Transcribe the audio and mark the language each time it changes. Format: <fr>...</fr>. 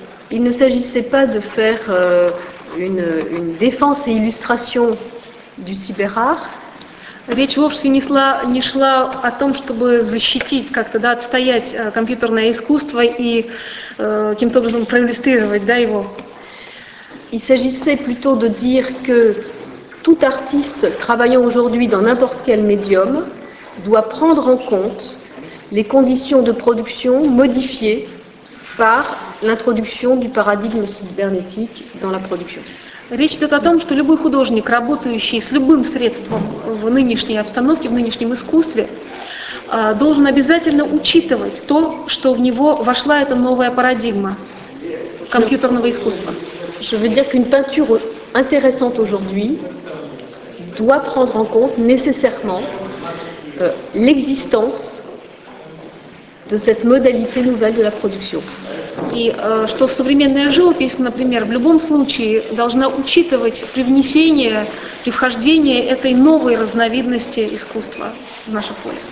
<fr>Il ne s'agissait pas de faire une défense et illustration du cyberart.</fr> <ru>Речь вовсе не шла о том, чтобы защитить, как-то да, отстоять компьютерное искусство и каким-то образом проиллюстрировать, да, его.</ru> <fr>Il s'agissait plutôt de dire que tout artiste travaillant aujourd'hui dans n'importe quel médium doit prendre en compte les conditions de production modifiées par l'introduction du paradigme cybernétique dans la production.</fr> <ru>Речь идет о том, что любой художник, работающий с любым средством в нынешней обстановке, в нынешнем искусстве, должен обязательно учитывать то, что в него вошла эта новая парадигма компьютерного искусства.</ru> <fr>Je veux dire qu'une peinture intéressante aujourd'hui doit prendre en compte nécessairement l'existence de cette modalité nouvelle de la production.</fr> <ru>И что современная живопись, например, в любом случае должна учитывать при внесении, при вхождении этой новой разновидности искусства в наше поле.</ru>